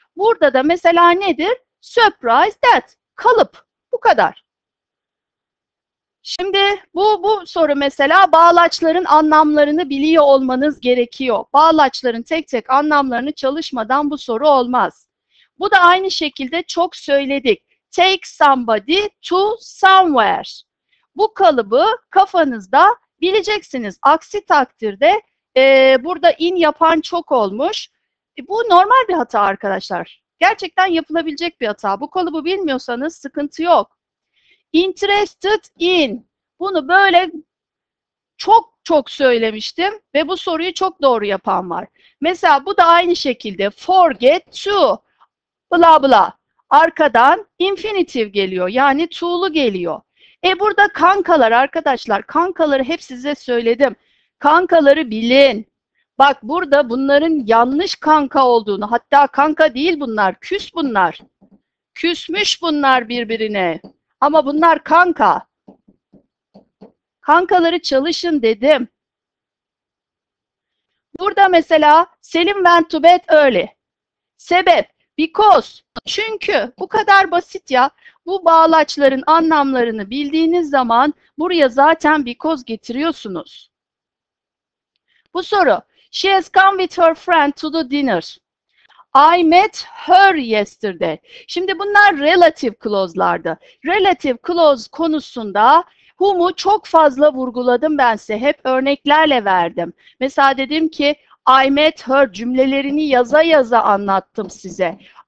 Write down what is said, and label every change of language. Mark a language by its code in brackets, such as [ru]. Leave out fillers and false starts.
[tr] Burada da mesela nedir? [en] Surprise that. [tr] Kalıp. Bu kadar. Şimdi bu soru mesela bağlaçların anlamlarını biliyor olmanız gerekiyor. Bağlaçların tek tek anlamlarını çalışmadan bu soru olmaz. Bu da aynı şekilde çok söyledik. [en] Take somebody to somewhere. [tr] Bu kalıbı kafanızda bileceksiniz. Aksi takdirde burada in yapan çok olmuş. Bu normal bir hata arkadaşlar. Gerçekten yapılabilecek bir hata. Bu kalıbı bilmiyorsanız sıkıntı yok. [en] Interested in. [tr] Bunu böyle çok çok söylemiştim ve bu soruyu çok doğru yapan var. Mesela bu da aynı şekilde [en] forget to bla bla. [tr] Arkadan infinitive geliyor. Yani to'lu geliyor. Burada kankalar arkadaşlar. Kankaları hep size söyledim. Kankaları bilin. Bak burada bunların yanlış kanka olduğunu, hatta kanka değil bunlar, küs bunlar. Küsmüş bunlar birbirine. Ama bunlar kanka. Kankaları çalışın dedim. Burada mesela [en] Selim went to bed early. [tr] Sebep, because. Çünkü bu kadar basit ya. Bu bağlaçların anlamlarını bildiğiniz zaman buraya zaten because getiriyorsunuz. Bu soru. [en] She has come with her friend to the dinner. I met her yesterday. [tr] Şimdi bunlar relative clause'lardı. Relative clause konusunda whom'u çok fazla vurguladım ben size. Hep örneklerle verdim. Mesela dedim ki [en] I met her [tr] cümlelerini yaza yaza anlattım size.